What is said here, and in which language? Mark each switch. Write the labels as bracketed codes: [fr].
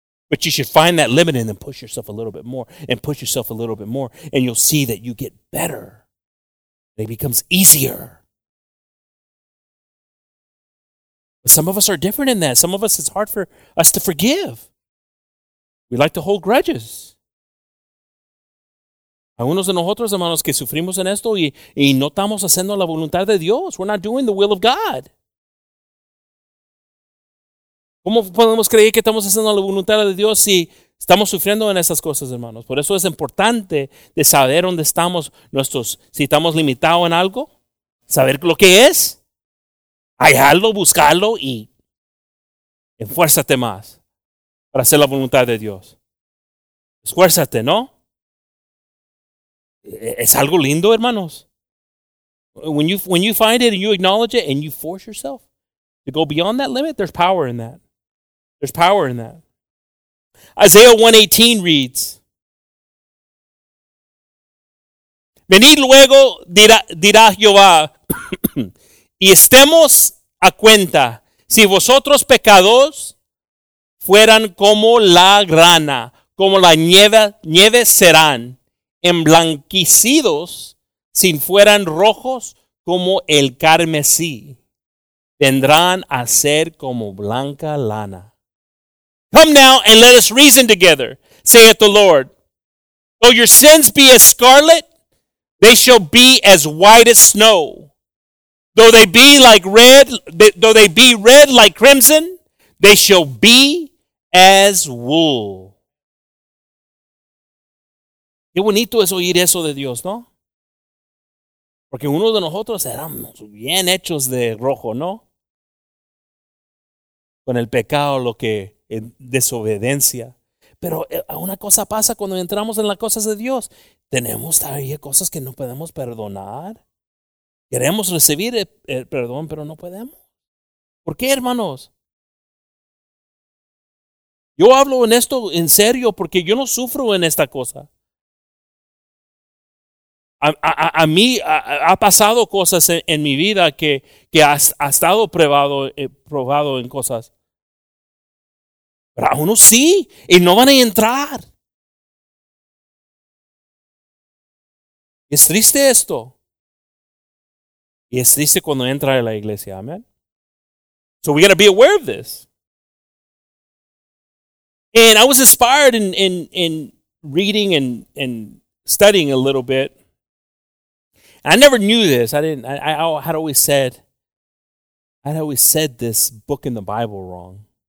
[en] But you should find that limit and then push yourself a little bit more and push yourself a little bit more. And you'll see that you get better. It becomes easier. But some of us are different in that. Some of us, it's hard for us to forgive. We like to hold grudges. [es] Algunos de nosotros, hermanos, que sufrimos en esto y no estamos haciendo la voluntad de Dios. [en] We're not doing the will of God. [es] ¿Cómo podemos creer que estamos haciendo la voluntad de Dios si estamos sufriendo en esas cosas, hermanos? Por eso es importante de saber dónde estamos nuestros, si estamos limitados en algo, saber lo que es, hallarlo, buscarlo y esfuérzate más para hacer la voluntad de Dios. Esfuérzate, ¿no? Es algo lindo, hermanos. [en] When you find it and you acknowledge it and you force yourself to go beyond that limit, there's power in that. There's power in that. Isaiah 1:18 reads, [es] venid luego, dirá Jehová, y estemos a cuenta si vosotros pecados fueran como la grana, como la nieve serán. Emblanquecidos, si fueran rojos como el carmesí, vendrán a ser como blanca lana. [en] Come now and let us reason together, saith the Lord. Though your sins be as scarlet, they shall be as white as snow. Though they be red like crimson, they shall be as wool. [es] Qué bonito es oír eso de Dios, ¿no? Porque uno de nosotros éramos bien hechos de rojo, ¿no? Con el pecado, lo que es desobediencia. Pero una cosa pasa cuando entramos en las cosas de Dios. Tenemos todavía cosas que no podemos perdonar. Queremos recibir el perdón, pero no podemos. ¿Por qué, hermanos? Yo hablo en esto en serio porque yo no sufro en esta cosa. A mí ha pasado cosas en mi vida que ha estado probado en cosas. Pero a uno sí, y no van a entrar. Es triste esto. Y es triste cuando entra a la iglesia. Amén. [en] So we got to be aware of this. And I was inspired in reading and studying a little bit. I never knew this. I'd always said this book in the Bible wrong.